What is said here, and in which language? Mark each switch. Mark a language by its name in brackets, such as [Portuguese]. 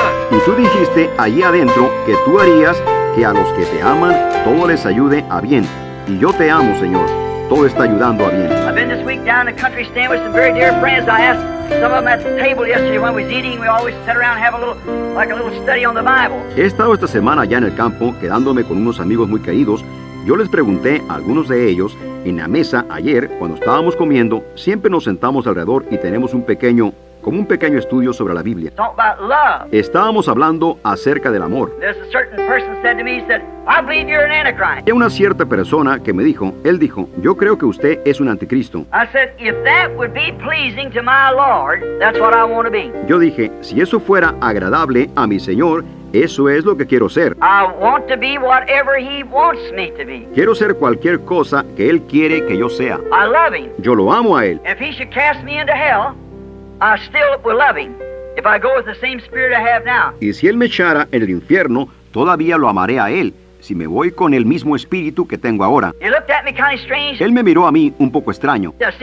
[Spanish] Y tú dijiste allí adentro que tú harías que a los que te aman todo les ayude a bien. Y yo te amo, Señor. Todo está ayudando a bien. [English] I've been this week down the country stand with some very dear friends. I asked some of them at the table yesterday when we was eating. We always sit around and have a little study on the Bible. [Spanish] He estado esta semana ya en el campo quedándome con unos amigos muy queridos. Yo les pregunté a algunos de ellos en la mesa ayer cuando estábamos comiendo. Siempre nos sentamos alrededor y tenemos un pequeño estudio sobre la Biblia. [English] Talk about love. [Spanish] Estábamos hablando acerca del amor. [English] There's a certain person said to me, he said, I believe you're an antichrist. [Spanish] Hay una cierta persona que me dijo, él dijo, yo creo que usted es un anticristo. [English] I said, if that would be pleasing to my Lord, that's what I want to be. [Spanish] Yo dije, si eso fuera agradable a mi Señor, eso es lo que quiero ser. [English] I want to be whatever he wants me to be. [Spanish] Quiero ser cualquier cosa que él quiere que yo sea. [English] I love him. [Spanish] Yo lo amo a él. [English] If he should cast me into hell, I still will love him if I go with the same spirit I have now. [Spanish] Y si él me echara en el infierno, todavía lo amaré a él si me voy con el mismo espíritu que tengo ahora? Él me miró a mí un poco extraño.